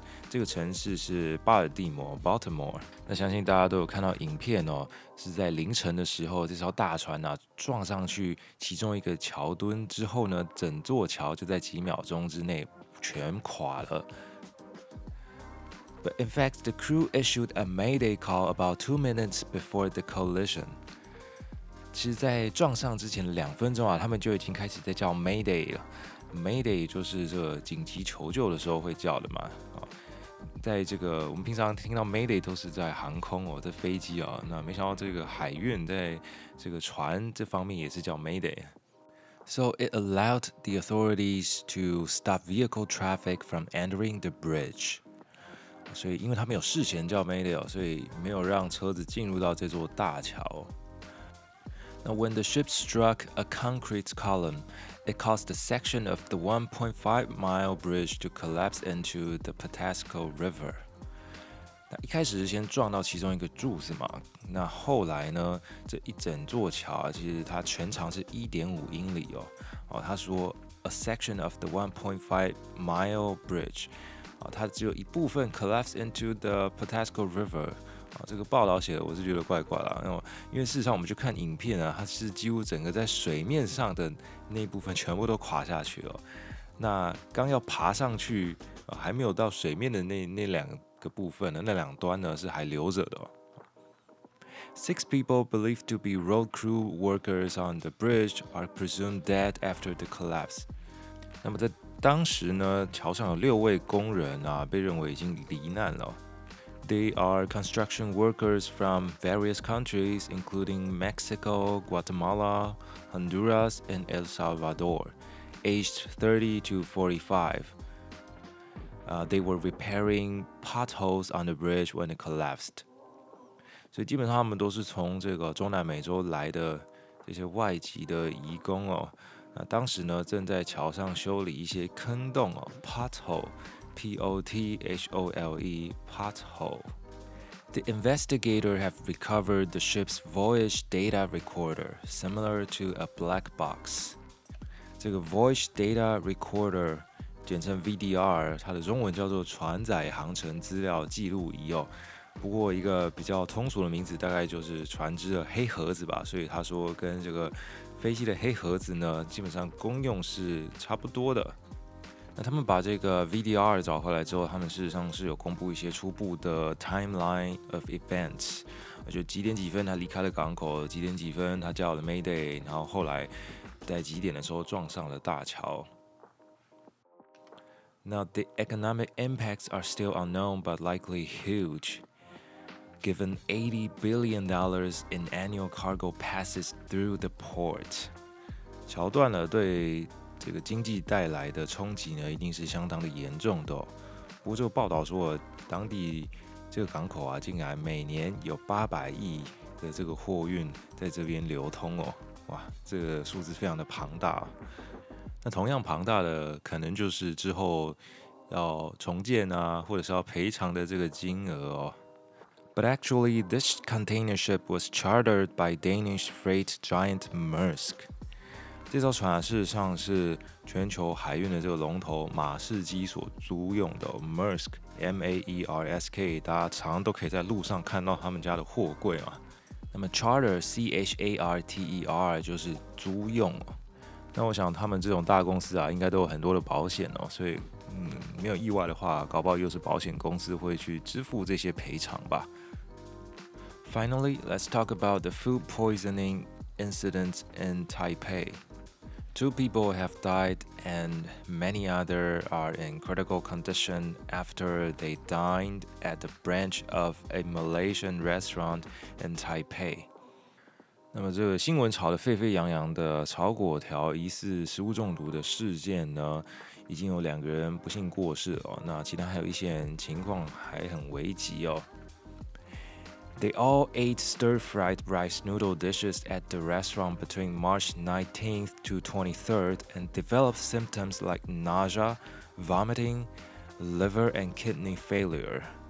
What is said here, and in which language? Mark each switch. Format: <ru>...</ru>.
<zh>这个城市是巴尔的摩 （Baltimore）。那相信大家都有看到影片哦，是在凌晨的时候，这艘大船啊撞上去其中一个桥墩之后呢，整座桥就在几秒钟之内全垮了。</zh> <en>But in fact, the crew issued a mayday call about 2 minutes before the collision.</en> <zh>其实，在撞上之前的两分钟啊，他们就已经开始在叫 mayday 了。 Mayday 就是这个紧急求救的时候会叫的嘛。在这个我们平常听到 Mayday 都是在航空哦，在飞机哦，那没想到这个海运在这个船这方面也是叫 Mayday。</zh> <en>So it allowed the authorities to stop vehicle traffic from entering the bridge。</en> <zh>所以因为他们有事前叫 Mayday 哦，所以没有让车子进入到这座大桥。</zh> <en>Now, when the ship struck a concrete column, it caused a section of the 1.5-mile bridge to collapse into the Patapsco River.</en> <zh>那一开始是先撞到其中一个柱子嘛，那后来呢，这一整座桥啊，其实它全长是 1.5 英里哦。哦，他说 a section of the 1.5-mile bridge，啊、哦，它只有一部分 collapse into the Patapsco River。啊，这个报道写的我是觉得怪怪啦，因为事实上我们去看影片啊，它是几乎整个在水面上的那部分全部都垮下去了。那刚要爬上去、还没有到水面的那两个部分呢，那两端呢是还留着的。</zh> <en>Six people believed to be road crew workers on the bridge are presumed dead after the collapse.</en> <zh>那么在当时呢，桥上有六位工人啊，被认为已经罹难了。</zh> <en>They are construction workers from various countries, including Mexico, Guatemala, Honduras, and El Salvador, aged 30 to 45. They were repairing potholes on the bridge when it collapsed.</en> <zh>所以基本上他们都是从这个中南美洲来的这些外籍的移工哦。那当时呢，正在桥上修理一些坑洞哦 ，pothole。</zh> <en>P-O-T-H-O-L-E, pothole. The investigator have recovered the ship's voyage data recorder, similar to a black box.</en> <zh>这个 voyage data recorder, 简称 VDR, 它的中文叫做船载航程资料记录仪哦。不过一个比较通俗的名字大概就是船只的黑盒子吧，所以他说跟这个飞机的黑盒子呢，基本上功用是差不多的。那他们把这个 VDR 找回来之后，他们事实上是有公布一些初步的 timeline of events，就几点几分他离开了港口，几点几分他叫了 Mayday， 然后后来在几点的时候撞上了大桥。</zh> <en>Now the economic impacts are still unknown but likely huge. Given $80 billion in annual cargo passes through the port，</en> <zh>桥断了对。这个经济带来的冲击呢，一定是相当的严重的、哦。不过这个报道说，当地这个港口啊，竟然每年有800亿的这个货运在这边流通哦，哇，这个数字非常的庞大。那同样庞大的，可能就是之后要重建啊，或者是要赔偿的这个金额哦。</zh> <en>But actually, this container ship was chartered by Danish freight giant Maersk.</en> <zh>这艘船、啊、事实上是全球海运的这个龙头马士基所租用的 Maersk M-A-E-R-S-K， 大家常都可以在路上看到他们家的货柜嘛。那么 charter C-H-A-R-T-E-R 就是租用。那我想他们这种大公司啊，应该都有很多的保险哦，所以没有意外的话，搞不好又是保险公司会去支付这些赔偿吧。</zh> <en>Finally, let's talk about the food poisoning incident in Taipei. Two people have died and many others are in critical condition after they dined at the branch of a Malaysian restaurant in Taipei.</en> <zh>那么这个新闻炒得沸沸扬扬的炒粿条疑似食物中毒的事件呢，已经有两个人不幸过世了，那其他还有一些人情况还很危急哦。</zh> <en>They all ate stir-fried rice noodle dishes at the restaurant between March 19th to 23rd and developed symptoms like nausea, vomiting, liver and kidney failure.</en>